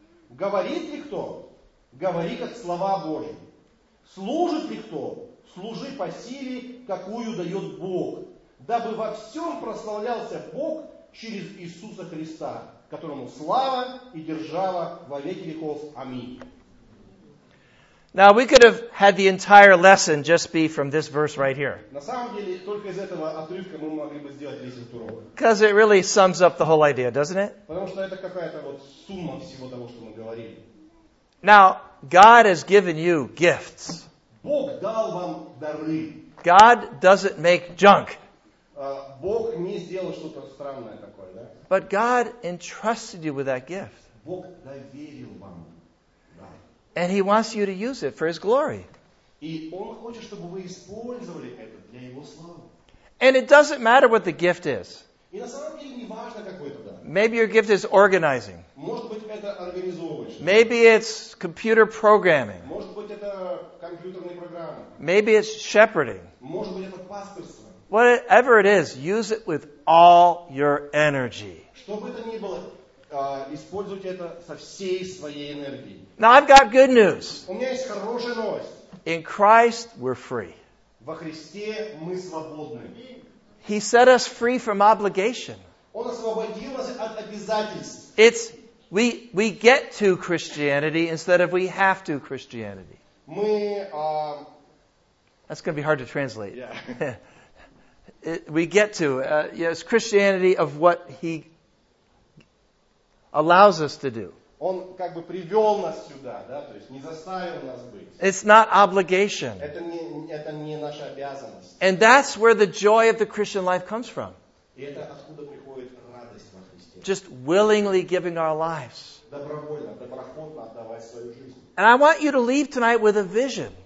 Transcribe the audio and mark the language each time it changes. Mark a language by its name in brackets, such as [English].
[Russian] Говорит ли кто? Говори как слова Божьи. Служит ли кто? Служи по силе, какую дает Бог, дабы во всем прославлялся Бог через Иисуса Христа, которому слава и держава во веки веков. Аминь. [English] Now we could have had the entire lesson just be from this verse right here. [Russian] На самом деле, только из этого отрывка мы могли бы сделать весь этот урок. [English] Because it really sums up the whole idea, doesn't it? [Russian] Потому что это какая-то вот сумма всего того, что мы говорили. [English] Now, God has given you gifts. [Russian] Бог дал вам дары. [English] God doesn't make junk. [Russian] Бог не сделал что-то странное такое, да? [English] But God entrusted you with that gift. [Russian] Бог доверил вам. Да. [English] And He wants you to use it for His glory. [Russian] И Он хочет, чтобы вы использовали это для Его славы. [English] And it doesn't matter what the gift is. [Russian] И на самом деле не важно, какой это дар. [English] Maybe your gift is organizing. [Russian] Может быть, это организовывать. [English] Maybe it's computer programming. [Russian] Может быть, это компьютерные программы. [English] Maybe it's shepherding. [Russian] Может быть, это пастырство. [English] Whatever it is, use it with all your energy. [Russian] Что бы это ни было, используйте это со всей своей энергией. [English] Now I've got good news. [Russian] У меня есть хорошая новость. [English] In Christ we're free. [Russian] Во Христе мы свободны. [English] He set us free from obligation. [Russian] Он освободил нас от обязательств. [English] It's we get to Christianity instead of we have to Christianity. [Russian] Мы [English] That's going to be hard to translate. Yeah. We get to yes, Christianity of what He allows us to do. [Russian] Он как бы привел нас сюда, да, то есть не заставил нас быть. [English] It's not obligation. [Russian] Это не наша обязанность. [English] And that's where the joy of the Christian life comes from. [Russian] И это откуда приходит радость во Христе. [English] Just willingly giving our lives. [Russian] Добровольно, доброхотно отдавать свою жизнь. [English] And I want you to leave tonight with a vision.